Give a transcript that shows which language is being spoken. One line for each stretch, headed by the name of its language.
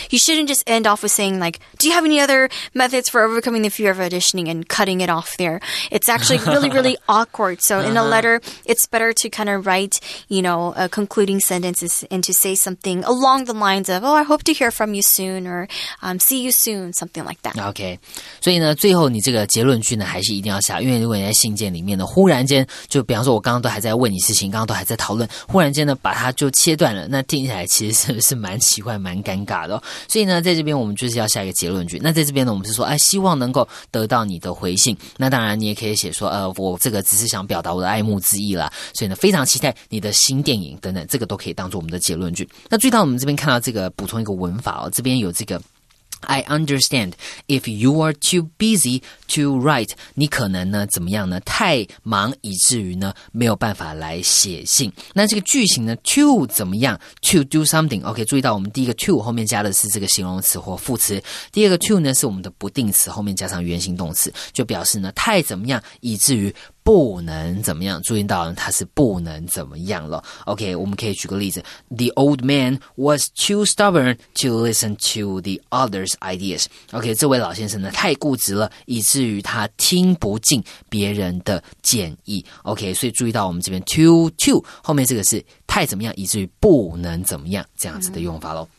English: You shouldn't just end off with saying, like, do you have any other methods for overcoming the fear of auditioning and cutting it off there? It's actually really, really awkward. So in a letter, it's better to kind of write, you know, a concluding sentence and to say something along the lines of, oh, I hope to hear from you soon or see you soon, something like that. Okay.
Chinese: 所以呢,最后你这个结论句呢, 还是一定要下, 因为如果你在信件里面的忽然间,就比方说我刚刚都还在问你事情,刚刚都还在讨论, 忽然间呢把它就切断了 那听起来其实是蛮奇怪蛮尴尬的哦 所以呢在这边我们就是要下一个结论句 那在这边呢我们是说 希望能够得到你的回信 那当然你也可以写说我这个只是想表达我的爱慕之意啦 所以呢非常期待你的新电影等等 这个都可以当作我们的结论句 那注意到我们这边看到这个补充一个文法哦 这边有这个 I understand if you are too busy to write, 你可能呢怎么样呢? 太忙以至于呢没有办法来写信。那这个句型呢, to 怎么样?
English: To do something.
Chinese: OK, 注意到我们第一个 to 后面加的是这个形容词或副词, 第二个 to 是我们的不定词, 后面加上原形动词, 就表示呢, 太怎么样以至于 不能怎么样, 注意到它是不能怎么样了。
English: OK, 我们可以举个例子, The old man was too stubborn to listen to the other's ideas.
Chinese: OK, 这位老先生呢, 太固执了, 以至于他听不进别人的建议。 OK, 所以注意到我们这边, too, 后面这个是太怎么样, 以至于不能怎么样, 这样子的用法咯。